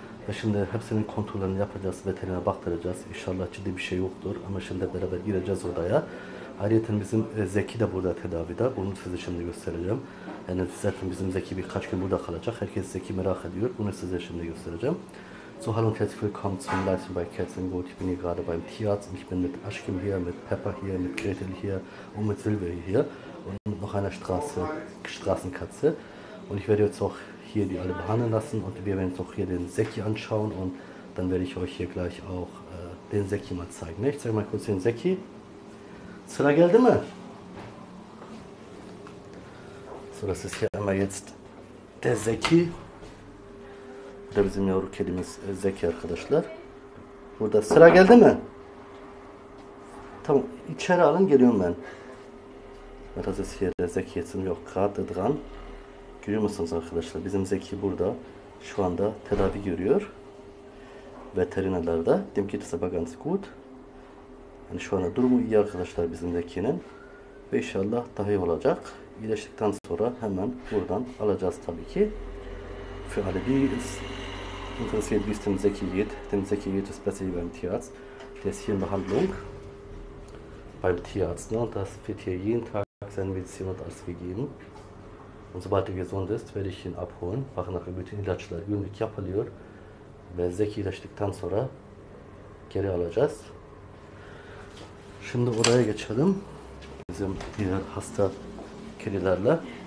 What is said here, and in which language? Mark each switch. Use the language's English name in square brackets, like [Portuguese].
[Turkish] Ve şimdi hepsinin kontrollerini yapacağız, veterinere baktıracağız. İnşallah ciddi bir şey yoktur ama şimdi beraber gireceğiz odaya. Ayrıca bizim Zeki de burada tedavide, bunu size şimdi göstereceğim. Yani zaten bizim Zeki birkaç gün burada kalacak. Herkes Zeki merak ediyor. Bunu size şimdi göstereceğim. [German] So hallo und herzlich willkommen zum Leitzen bei Katzen Gut. Ich bin hier gerade beim Tierarzt. Ich bin mit Aşkım hier, mit Pepper hier, mit Gretel hier und mit Silvia hier. Und noch eine Straßenkatze. Und ich werde jetzt auch hier die alle behandeln lassen. Und wir werden jetzt auch hier den Zeki anschauen. Und dann werde ich euch hier gleich auch den Zeki mal zeigen. Ich zeige mal kurz den Zeki. [Turkish] Sıra geldi mi? [German] Das ist hier einmal jetzt der Zeki. [Turkish] Bu da bizim yavru kedimiz Zeki arkadaşlar. Burada sıra geldi mi? Tamam, içeri alın, geliyorum ben. [German] Das ist hier der Zeki, jetzt sind wir auch gerade dran. [Turkish] Görüyor musunuz arkadaşlar? Bizim Zeki burada şu anda tedavi görüyor. Veterinerlerde. [German] Dem geht es aber ganz gut. [Turkish] Yani şu anda durumu iyi arkadaşlar bizim Zeki'nin. Ve inşallah daha iyi olacak. İyileştikten sonra hemen buradan alacağız tabii ki. [German] Für alle, die es interessiert, wie es dem Zeki geht. Dem Zeki geht es besser beim Tierarzt. Der ist hier in Behandlung. Beim Tierarzt. [Turkish] Ne? [German] Und das wird hier jeden Tag sein Medizin und alles gegeben. Und sobald er gesund ist, werde ich ihn abholen. Machen nachher [Turkish] bütün İlaçlar günlük yapılıyor. Ve Zeki iyileştikten sonra geri alacağız. Şimdi oraya geçelim. Bizim diğer hasta kedilerle.